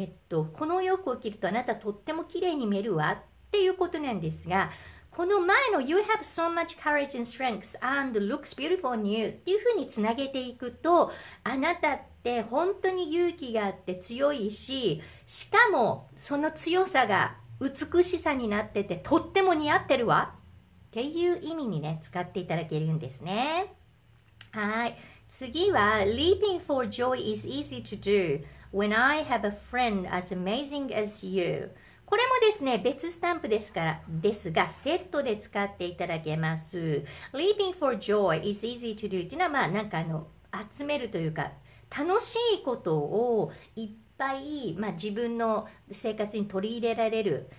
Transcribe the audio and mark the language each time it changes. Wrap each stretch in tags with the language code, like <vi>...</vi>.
<ja>この洋服を着るとあなたとっても綺麗に見えるわっていうことなんですが、この前の</ja> <en>You have so much courage and strength and looks beautiful on you</en> <ja>っていう風につなげていくと、あなたって本当に勇気があって強いし、しかもその強さが美しさになっててとっても似合ってるわっていう意味にね、使っていただけるんですね。はい、次は</ja> <en>Leaping for joy is easy to do when I have a friend as amazing as you。</en> <ja>これもですね、別スタンプですから、ですが、セットで使っていただけます。</ja> <en>Leaping for joy is easy to do</en> <ja>っていうのは、まあ、なんか集めるというか、楽しいことをいっぱい、まあ、自分の生活に取り入れられる。</ja>